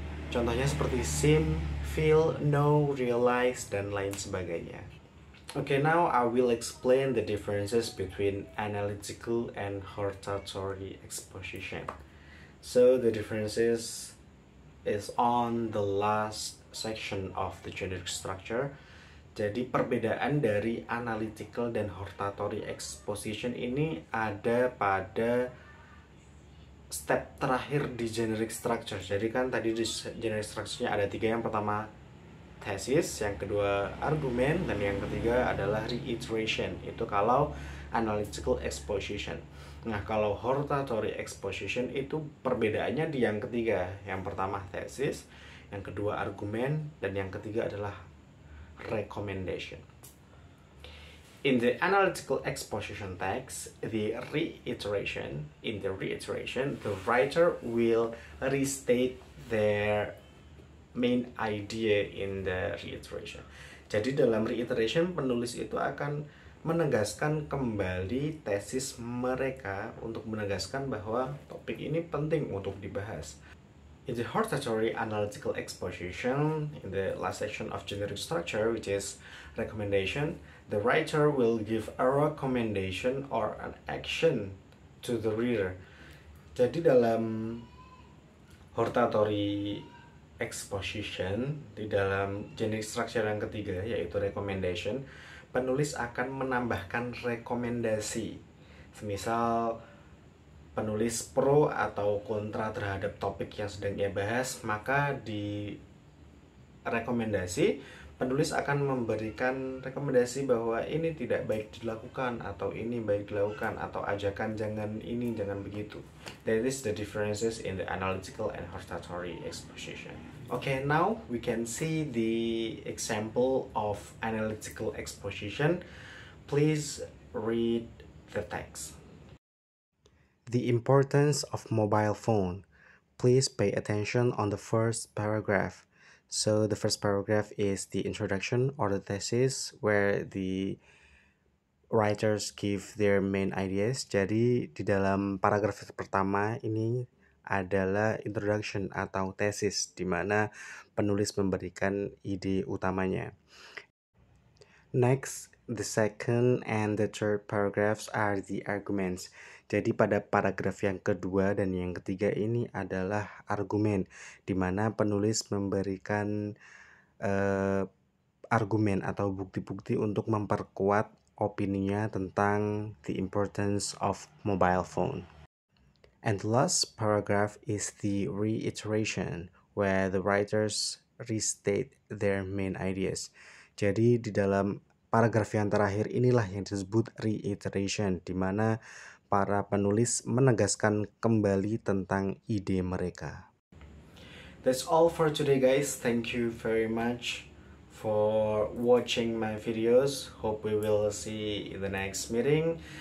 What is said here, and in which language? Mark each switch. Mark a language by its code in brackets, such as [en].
[id] Contohnya seperti [en] seem, feel, know, realize, [id] dan lain sebagainya. [en] Okay, now I will explain the differences between analytical and hortatory exposition. So, the differences is on the last section of the generic structure. [id] Jadi, perbedaan dari analytical dan hortatory exposition ini ada pada step terakhir di generic structure. Jadi kan tadi di generic structure-nya ada tiga, yang pertama thesis, yang kedua argumen, dan yang ketiga adalah reiteration. Itu kalau analytical exposition. Nah, kalau hortatory exposition itu perbedaannya di yang ketiga. Yang pertama thesis, yang kedua argumen, dan yang ketiga adalah recommendation. [en] In the analytical exposition text, in the reiteration, the writer will restate their main idea in the reiteration. [id] Jadi dalam reiteration, penulis itu akan menegaskan kembali tesis mereka untuk menegaskan bahwa topik ini penting untuk dibahas. [en] In the hortatory analytical exposition, in the last section of generic structure, which is recommendation, the writer will give a recommendation or an action to the reader. [id] Jadi dalam hortatory exposition, di dalam generic structure yang ketiga, yaitu recommendation, penulis akan menambahkan rekomendasi. Semisal, penulis pro atau kontra terhadap topik yang sedang ia bahas, maka di rekomendasi, penulis akan memberikan rekomendasi bahwa ini tidak baik dilakukan, atau ini baik dilakukan, atau ajakan jangan ini, jangan begitu. [en] That is the differences in the analytical and hortatory exposition. Okay, now we can see the example of analytical exposition. Please read the text. The importance of mobile phone. Please pay attention on the first paragraph. So the first paragraph is the introduction or the thesis where the writers give their main ideas. [id] Jadi di dalam paragraf pertama ini adalah introduction atau thesis di mana penulis memberikan ide utamanya. [en] Next, the second and the third paragraphs are the arguments. [id] Jadi pada paragraf yang kedua dan yang ketiga ini adalah argumen, di mana penulis memberikan argumen atau bukti-bukti untuk memperkuat opininya tentang the importance of mobile phone. [en] And the last paragraph is the reiteration, where the writers restate their main ideas. [id] Jadi di dalam paragraf yang terakhir inilah yang disebut reiteration, di mana para penulis menegaskan kembali tentang ide mereka. [en] That's all for today, guys. Thank you very much for watching my videos. Hope we will see in the next meeting.